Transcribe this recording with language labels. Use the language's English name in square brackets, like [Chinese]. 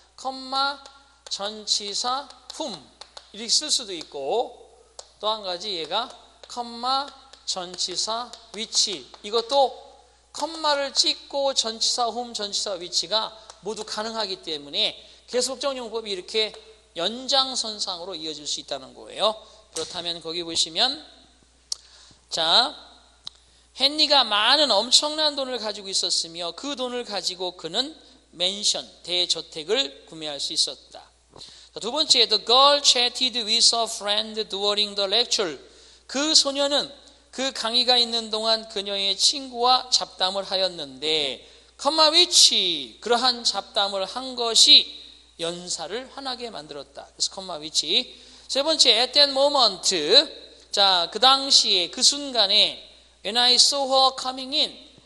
[Korean] 컴마 전치사 whom 이렇게 쓸 수도 있고, 또 한 가지 얘가 컴마 전치사 위치, 이것도 컴마를 찍고 전치사 whom 전치사 위치가 모두 가능하기 때문에 계속적 용법이 이렇게 연장선상으로 이어질 수 있다는 거예요. 그렇다면 거기 보시면, 자, 헨리가 많은 엄청난 돈을 가지고 있었으며 그 돈을 가지고 그는 맨션, 대저택을 구매할 수 있었다. 자, 두 번째, [English] The girl chatted with a friend during the lecture. [Korean] 그 소녀는 그 강의가 있는 동안 그녀의 친구와 잡담을 하였는데, 컴마 위치, 그러한 잡담을 한 것이 연사를 환하게 만들었다. 그래서 컴마 위치. 세 번째, [English] at that moment. [Korean] 자, 그 당시에, 그 순간에, [English] when I saw her coming in.